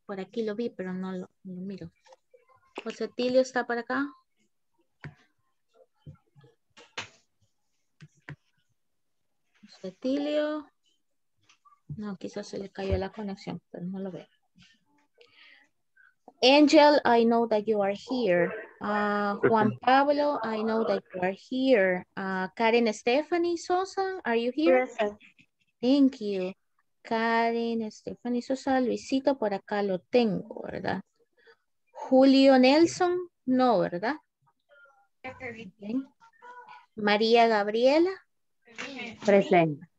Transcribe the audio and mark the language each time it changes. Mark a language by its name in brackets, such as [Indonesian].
[Spanish] Por aquí lo vi, pero no lo, no lo miro. Jose Atilio está por acá. Cetilio. No, quizás se le cayó la conexión, pero no lo veo. [English] Angel, I know that you are here. Juan Pablo, I know that you are here. Karen Stephanie Sosa, are you here? Present. Thank you. [Spanish] Karen Stephanie Sosa, Luisito, por acá lo tengo, ¿verdad? Julio Nelson, no, ¿verdad? [English] Present. María Gabriela. Present.